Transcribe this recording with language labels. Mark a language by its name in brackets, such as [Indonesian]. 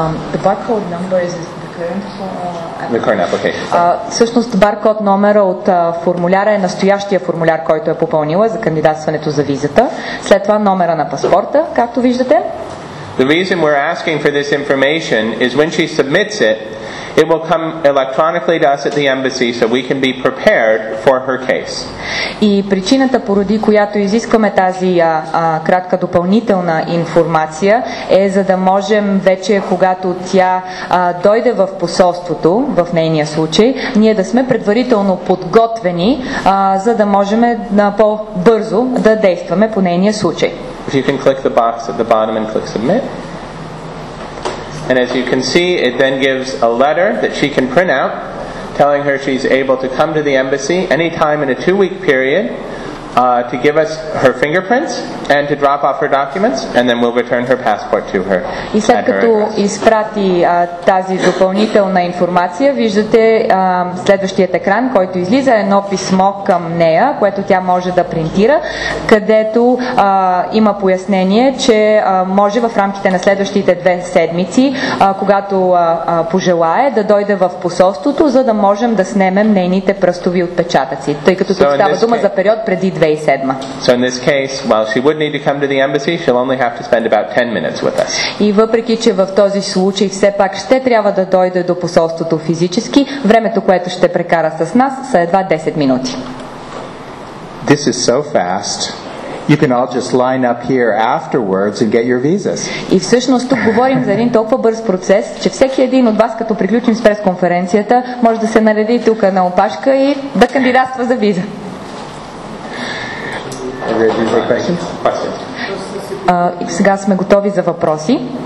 [English] The barcode number is the current application. The current application. [Bulgarian] Всъщност баркод номера от формуляра е настоящия формуляр, който е попълнила за кандидатстването за визата. След това номера на паспорта, както виждате. [English] The reason we're asking for this information is when she submits it, it will come electronically to us at the embassy so we can be prepared for her case. [Bulgarian] И причината, поради която изискваме тази кратка допълнителна информация, е за да можем вече, когато тя дойде в посолството, в нейния случай, ние да сме предварително подготвени, за да можем по-бързо да действаме по нейния случай. [English] If you can click the box at the bottom and click submit. And as you can see, it then gives a letter that she can print out, telling her she's able to come to the embassy anytime in a 2-week period to give us her fingerprints and to drop off her documents, and then we'll return her passport to her. [Bulgarian] И след като изпрати тази допълнителна информация, виждате следващият екран, който излиза едно писмо към нея, което тя може да принтира, където има пояснение, че може в рамките на следващите 2 седмици, когато пожелае, да дойде в посолството, за да можем да снемем нейните пръстови отпечатъци, тъй като тук става дума за период преди 2007. [English] So in this case, while she would need to come to the embassy, she'll only have to spend about 10 minutes with us. [Bulgarian] И въпреки че в този случай все пак ще трябва да дойде до посолството физически, времето, което ще прекара с нас, са едва 10 минути. [English] This is so fast. You can all just line up here afterwards and get your visas. [Bulgarian] И всъщност тук говорим за един толкова бърз процес, че всеки един от вас, като приключим с пресконференцията, може да се нареди тук на опашка и да кандидатства за виза. Сега сме готови за въпроси.